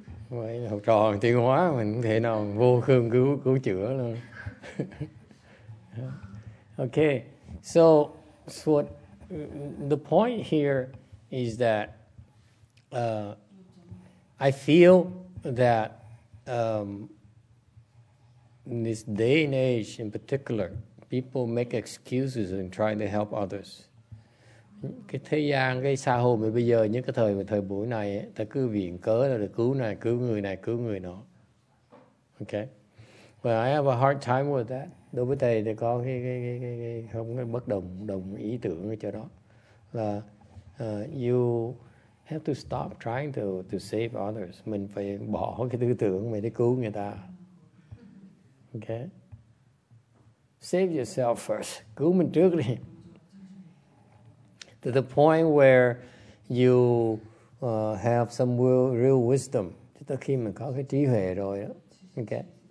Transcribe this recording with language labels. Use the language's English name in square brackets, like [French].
[Vietnamese] Vậy là học trò tiến hóa mình không thể nào vô khương cứu chữa luôn. [English] Okay, so what the point here is that I feel that in this day and age in particular, people make excuses and try to help others. [Vietnamese] Cái thế gian, cái xã hội mà bây giờ, những cái thời buổi này ấy, ta cứ viện cớ là được cứu người này, cứu người nọ. [English] Okay. Well, I have a hard time with that. [Vietnamese] Đối với thầy thì có cái không có bất đồng ý tưởng ở chỗ đó. [English] Là you have to stop trying to save others. [Vietnamese] Mình phải bỏ cái tư tưởng mình để cứu người ta. [English] Okay. Save yourself first. [Vietnamese] Cứu mình trước đi. [English] To the point where you have some real wisdom. [Vietnamese] Cho tới khi mình có cái trí huệ rồi đó. Okay.